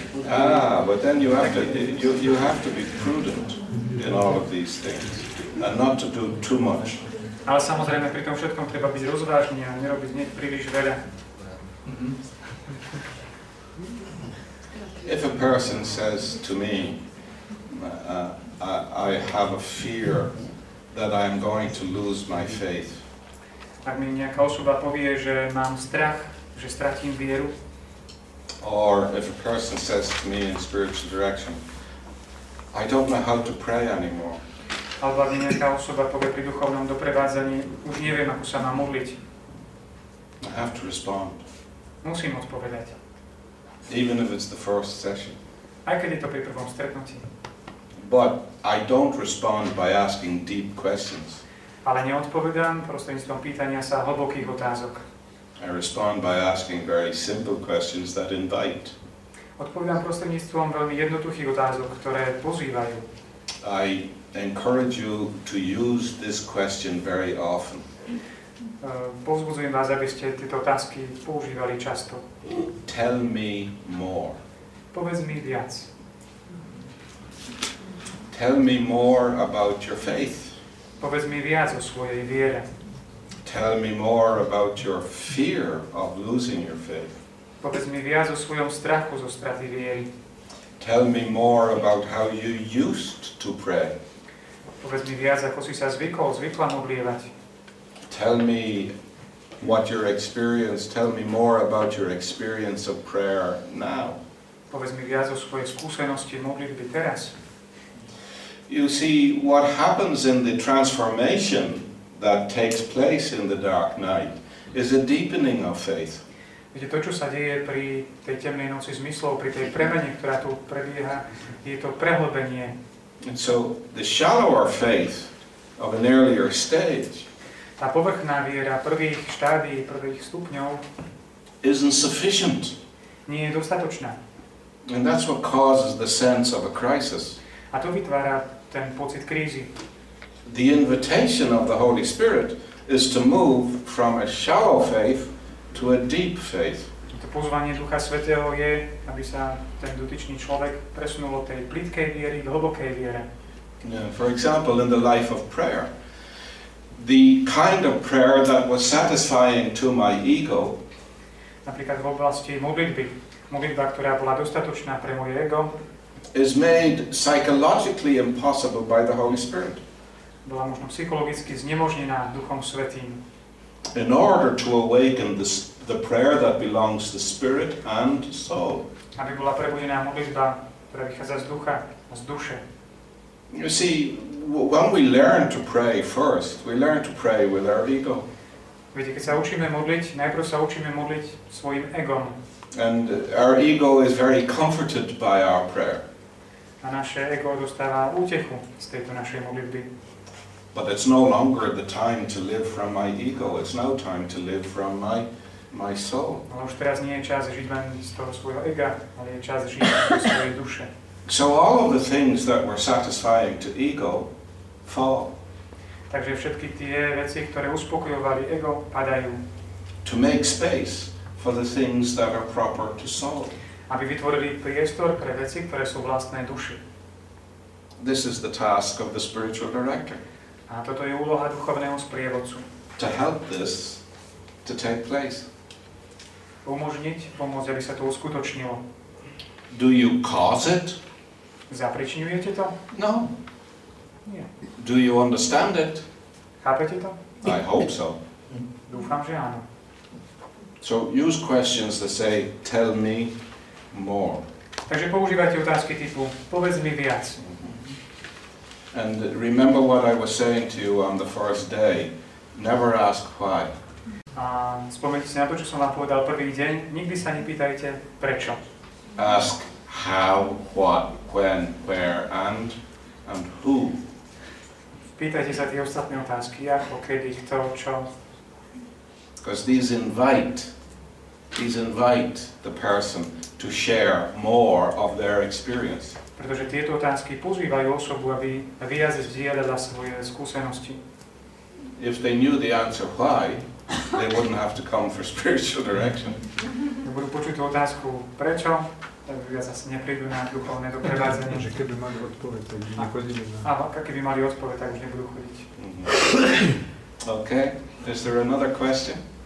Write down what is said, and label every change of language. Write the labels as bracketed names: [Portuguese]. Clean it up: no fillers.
[English] Ah, but then you have to be prudent in all of these things and not to do too much. [Slovak] Ale samozrejme pri tom všetkom treba byť rozvážny a nerobiť niečo príliš veľa. [English] If a person says to me I have a fear that I am going to lose my faith. [Slovak] Ak mi nejaká osoba povie, že mám strach, že stratím vieru. [English] Or if a person says to me in spiritual direction, I don't know how to pray anymore. [Slovak] Alebo mi nejaká osoba povie pri duchovnom doprevádzaní, už neviem, ako sa mám modliť. [English] I have to respond. [Slovak] Musím odpovedať. [English] Even if it's the first session. [Slovak] Aj keď je to pri prvom stretnutí. [English] But I don't respond by asking deep questions. [Slovak] Ale neodpovedám prostredníctvom pýtania sa hlbokých otázok. [English] I respond by asking very simple questions that invite. [Slovak] Odpovedám prostredníctvom veľmi jednoduchých otázok, ktoré pozývajú. [English] I encourage you to use this question very often. [Slovak] Povzbudzujem vás, aby ste tieto otázky používali často. [English] Tell me more. [Slovak] Povedz mi viac. [English] Tell me more about your faith. [Slovak] Povedz mi viac o svojej viere. [English] Tell me more about your fear of losing your faith. [Slovak] Povedz mi viac o svojom strachu zo straty viery. [English] Tell me more about how you used to pray. [Slovak] Povedz mi viac, ako si sa zvykla modlievať. [English] Tell me more about your experience of prayer now. [Slovak] Povedz mi viac o svojej skúsenosti modlitby teraz. [English] You see, what happens in the transformation that takes place in the dark night is a deepening of faith. [Slovak] Viete, to, čo sa deje pri tej temnej noci zmyslov, pri tej premene, ktorá tu prebieha, je to prehlbenie. [English] And so the shallower faith of an earlier stage, [Slovak] tá povrchná viera prvých štádií, prvých stupňov, [English] isn't sufficient. [Slovak] Nie je dostatočná. [English] And that's what causes the sense of a crisis. [Slovak] A to vytvára ten pocit krízy. [English] The invitation of the Holy Spirit is to move from a shallow faith to a deep faith. [Slovak] To pozvanie Ducha Svätého je, aby sa ten dotyčný človek presunul od tej plitkej viery k hlbokej viere. [English] For example, in the life of prayer, the kind of prayer that was satisfying to my ego. [Slovak] Napríklad v oblasti modlitby, modlitba, ktorá bola dostatočná pre moje ego, [English] is made psychologically impossible by the Holy Spirit. [Slovak] Bola možno psychologicky znemožnená Duchom Svätým. [English] In order to awaken the prayer that belongs to spirit and soul. [Slovak] Aby bola prebudená modlitba, ktorá vychádza z ducha a z duše. [English] You see, when we learn to pray first, we learn to pray with our ego. [Slovak] Viete, keď sa učíme modliť, najprv sa učíme modliť svojim egom. [English] And our ego is very comforted by our prayer. [Slovak] A naše ego dostáva útechu z tejto našej modlitby. [English] But it's no longer the time to live from my ego, it's now time to live from my soul. [Slovak] Ale už teraz nie je čas žiť len z toho svojho ega, ale je čas žiť zo svojej duše. [English] So all of the things that were satisfying to ego fall. [Slovak] Takže všetky tie veci, ktoré uspokojovali ego, padajú. [English] To make space for the things that are proper to soul. [Slovak] Aby vytvorili priestor pre veci, ktoré sú vlastné duši. [English] This is the task of the spiritual director. [Slovak] A toto je úloha duchovného sprievodcu. [English] To help this to take place. [Slovak] Umožniť, pomôcť, aby sa to uskutočnilo. [English] Do you cause it? [Slovak] Zapričinujete to? [English] No. [Slovak] Nie. [English] Do you understand it? [Slovak] Chápete to? [English] I hope so. [Slovak] Dúfam, že áno. [English] So use questions that say, tell me more. [Slovak] Takže používajte otázky typu, povedz mi viac. [English] And remember what I was saying to you on the first day. Never ask why. [Slovak] A spomeňte si na to, čo som vám povedal prvý deň. Nikdy sa nepýtajte prečo. [English] Ask how, what, when, where, and who. [Slovak] Pýtajte sa tie ostatné otázky. Ako, kedy, kto, čo. [English] Because these invite the person to share more of their experience. [Slovak] Pretože tieto otázky pozývajú osobu, aby viac zdieľala svoje skúsenosti. [English] If they knew the answer why, they wouldn't have to come for spiritual direction. [Slovak] Keď budú počuť tú otázku prečo, tak viac asi neprídu na duchovné doprevádzanie. Že keby mali odpoveď, tak už nechodili na... Aha, keby mali odpoveď, tak už nebudú chodiť. [English] OK, is there another question?